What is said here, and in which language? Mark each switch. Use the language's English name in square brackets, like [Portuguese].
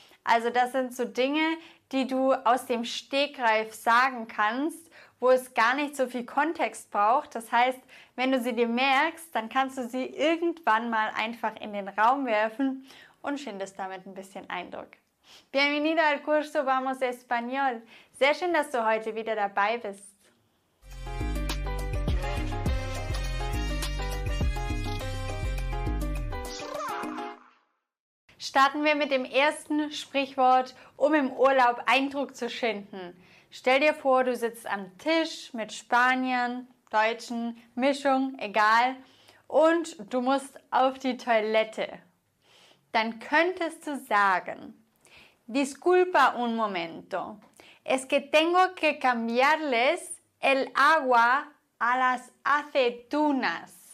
[German] Also das sind so Dinge, die du aus dem Stegreif sagen kannst, wo es gar nicht so viel Kontext braucht. Das heißt, wenn du sie dir merkst, dann kannst du sie irgendwann mal einfach in den Raum werfen und schindest damit ein bisschen Eindruck. [Spanish] Bienvenido al curso Vamos Español. [German] Sehr schön, dass du heute wieder dabei bist. Starten wir mit dem ersten Sprichwort, um im Urlaub Eindruck zu schinden. Stell dir vor, du sitzt am Tisch mit Spaniern, Deutschen, Mischung, egal, und du musst auf die Toilette. Dann könntest du sagen: Disculpa un momento, es que tengo que cambiarles el agua a las aceitunas.